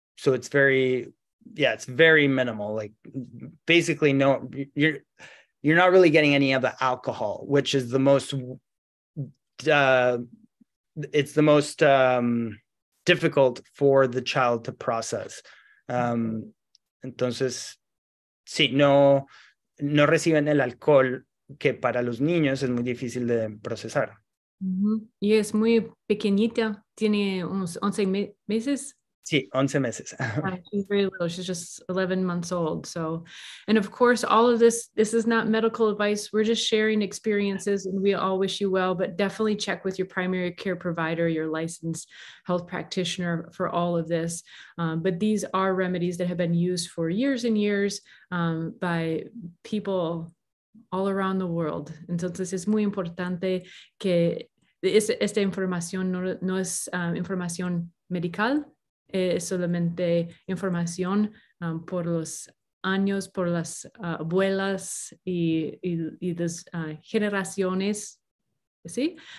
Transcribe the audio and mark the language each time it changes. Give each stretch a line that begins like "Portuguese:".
English: So it's very, it's very minimal. Like basically you're not really getting any of the alcohol, which is the most, it's the most difficult for the child to process.
Spanish: Entonces, sí, no reciben el alcohol que para los niños es muy difícil de procesar. Mm-hmm. Y es muy pequeñita, tiene unos 11 meses. Sí, 11 meses.
English: She's very little, she's just 11 months old. So, and of course, all of this is not medical advice. We're just sharing experiences and we all wish you well, but definitely check with your primary care provider, your licensed health practitioner for all of this. But these are remedies that have been used for years and years by people all around the world.
Spanish: Entonces, es muy importante que esta información no es información medical. Es solamente información por los años, por las abuelas y las generaciones, ¿sí?